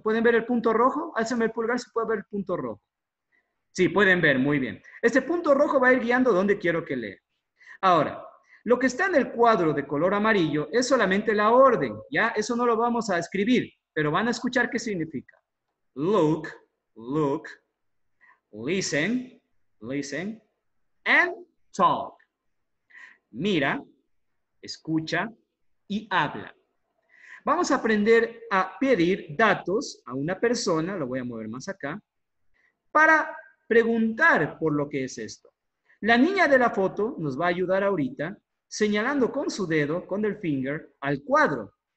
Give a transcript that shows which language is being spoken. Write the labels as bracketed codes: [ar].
[es] ¿Pueden ver el punto rojo? Álcenme el pulgar si puedo ver el punto rojo. Sí, pueden ver, muy bien. Este punto rojo va a ir guiando donde quiero que lea. Ahora, lo que está en el cuadro de color amarillo es solamente la orden, ¿ya? Eso no lo vamos a escribir, pero van a escuchar qué significa. [en] Look, look, listen, listen, and talk. [es] Mira, escucha y habla. Vamos a aprender a pedir datos a una persona, lo voy a mover más acá, para preguntar por lo que es esto. La niña de la foto nos va a ayudar ahorita, señalando con su dedo, con el finger, al cuadro.